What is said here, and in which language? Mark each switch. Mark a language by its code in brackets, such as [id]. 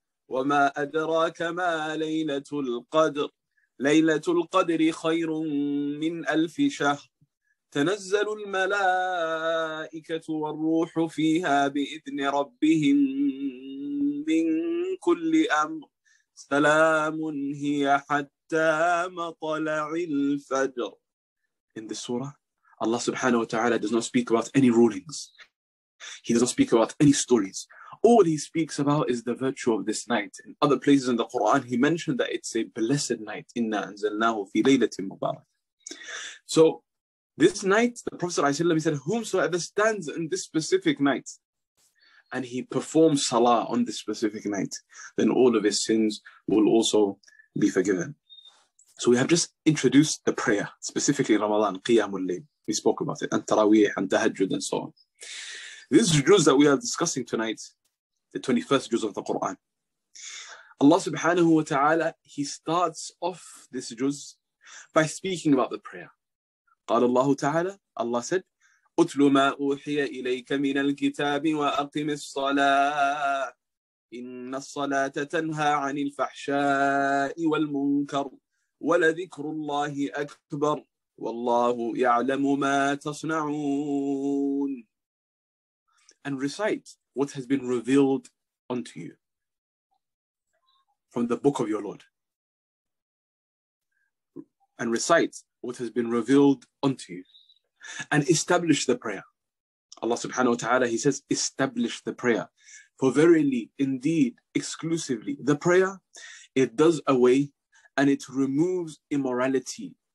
[ar] وما أدراك ما ليلة القدر ليلة القدر خير من ألف شهر تنزل الملائكة والروح فيها بإذن ربهم من كل أمر سلام هي حتى مطلع الفجر. [en] In this surah, Allah subhanahu wa ta'ala does not speak about any rulings. He does not speak about any stories. All he speaks about is the virtue of this night. In other places in the Quran, he mentioned that it's a blessed night. [ar] Inna anzalnahu fi laylatin mubarak. [en] So This night, the Prophet ﷺ said, whomsoever stands in this specific night, and he performs salah on this specific night, then all of his sins will also be forgiven. So we have just introduced the prayer, specifically Ramadan, Qiyamul Layl. We spoke about it, and Taraweeh, and Tahajjud, and so on. This juz that we are discussing tonight, the 21st juz of the Quran, Allah subhanahu wa ta'ala, he starts off this juz by speaking about the prayer. [ar] قال الله تعالى, [en] Allah said, [ar] أتلو ما أوحي إليك من الكتاب وأقم الصلاة إن الصلاة تنهى عن الفحشاء والمنكر ولذكر الله أكبر والله يعلم ما تصنعون. [en] And recite what has been revealed unto you from the book of your Lord. And recite what has been revealed unto you. And establish the prayer. Allah subhanahu wa ta'ala, he says, establish the prayer. For verily, indeed, exclusively, the prayer, it does away and it removes immorality.